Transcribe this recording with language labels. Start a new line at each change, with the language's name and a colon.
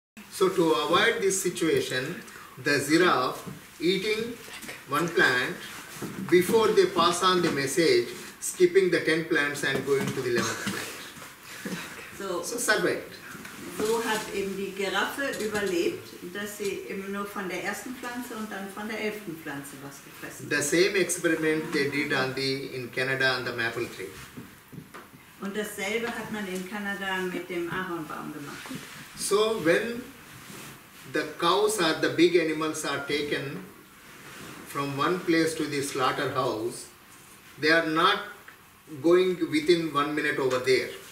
English: So to avoid this situation, the giraffe eating one plant before they pass on the message, skipping the 10 plants and going to the 11th plant. So survived.
German: So hat eben die Giraffe überlebt, dass sie eben nur von der ersten Pflanze und dann von der 11. Pflanze was gefressen hat.
English: The same experiment they did on the, in Canada on the maple tree.
German: Und dasselbe hat man in Kanada mit dem Ahornbaum gemacht.
English: So when the cows are the big animals are taken from one place to the slaughterhouse, they are not going within 1 minute over there.